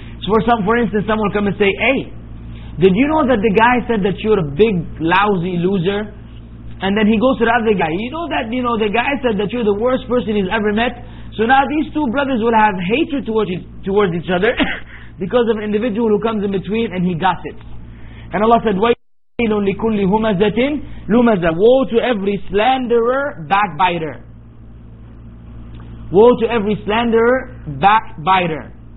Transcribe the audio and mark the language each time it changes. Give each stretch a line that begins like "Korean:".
English: So for instance, someone will come and say, hey, did you know that the guy said that you're a big, lousy loser? And then he goes to the other guy, you know, the guy said that you're the worst person he's ever met? So now these two brothers will have hatred towards each other because of an individual who comes in between and he gossips. And Allah said,
Arabic: وَيْلٌ لِكُلِّ هُمَزَةٍ لُمَزَةٍ.
English: Woe to every slanderer, backbiter. Woe to every slanderer, backbiter.